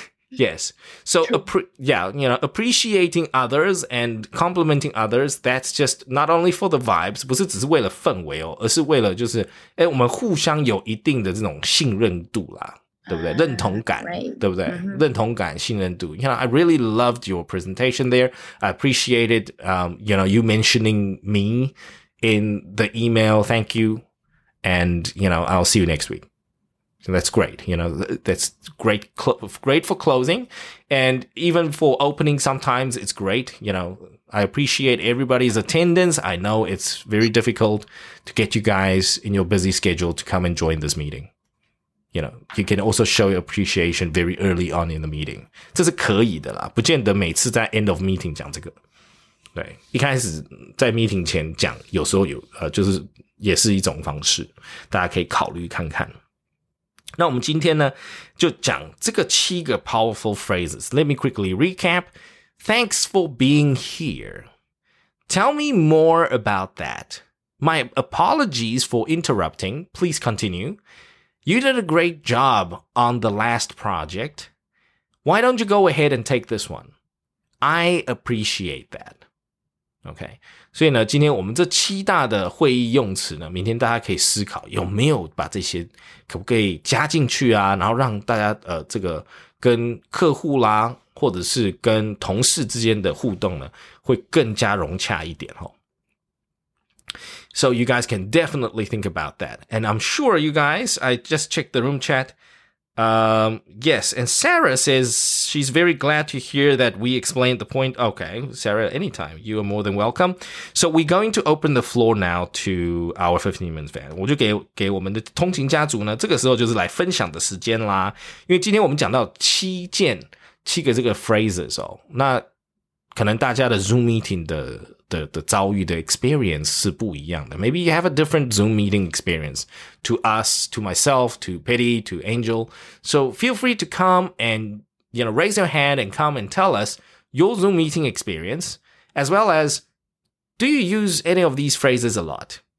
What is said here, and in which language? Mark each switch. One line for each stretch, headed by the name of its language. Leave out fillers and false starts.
English: Yes So appreciating others and complimenting others that's just not only for the vibes
Chinese: 不是只是为了氛围哦而是为了就是诶我们互相有一定的这种信任度啦对不对认同感、
English: right.
Chinese: 对不对、mm-hmm. 认同感信任度
English: You know, I really loved your presentation there I appreciated you know, you mentioning me in the email Thank you And you know, I'll see you next weekSo that's great, you know, that's great, great for closing. And even for opening, sometimes it's great. You know, I appreciate everybody's attendance. I know it's very difficult to get you guys in your busy schedule to come and join this meeting. You know, you can also show your appreciation very early on in the meeting.
Chinese: 这是可以的啦，不见得每次在
English: end of meeting
Chinese: 讲这个。对，一开始在 meeting 前讲，有时候有，就是也是一种方式，大家可以考虑看看。那我们今天呢就讲这个七个 powerful phrases.
English: Let me quickly recap. Thanks for being here. Tell me more about that. My apologies for interrupting. Please continue. You did a great job on the last project. Why don't you go ahead and take this one? I appreciate that. Okay.
Chinese: 所以呢今天我们这七大的会议用词呢明天大家可以思考有没有把这些可不可以加进去啊然后让大家这个跟客户啦或者是跟同事之间的互动呢会更加融洽一点齁。
English: So you guys can definitely think about that. And I'm sure you guys, I just checked the room chat. Yes, and Sarah says she's very glad to hear that we explained the point. Okay, Sarah, anytime. You are more than welcome. So we're going to open the floor now to our 15 minutes fan.
Chinese: 我就给我们的通勤家族呢，这个时候就是来分享的时间啦。因为今天我们讲到七个这个 phrases 哦，那可能大家的 Zoom meeting 的遭遇的 experience 是不一样的。
English: Maybe you have a different Zoom meeting experience to us, to myself, to Pity, to Angel. So feel free to come and, you know, raise your hand and come and tell us your Zoom meeting experience, as well as do you use any of these phrases a lot?